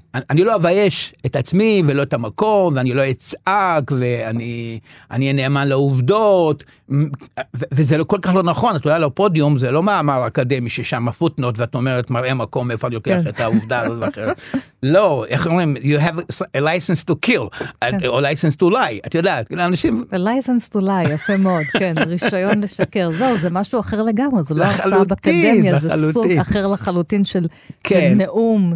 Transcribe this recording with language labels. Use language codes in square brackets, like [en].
[he] אני לא אבייש את עצמי ולא את המקום, ואני לא אצעק, ואני נאמן לעובדות, וזה לא כל כך לא נכון, את יודעת, לפודיום זה לא מאמר אקדמי ששם הפוטנוט, ואת אומרת, מראה מקום, איפה אני לוקח את העובדה הזאת ואחרת. לא, איך אומרים, [en] you have a license to kill, [he] או [en] license to lie, [he] את יודעת, כאילו אנשים... [en] A license to lie, [he] יפה מאוד, כן, רישיון לשקר, זהו, זה משהו אחר לגמרי, זה לא הרצאה באקדמיה, זה סוג אחר לחלוטין של נאום.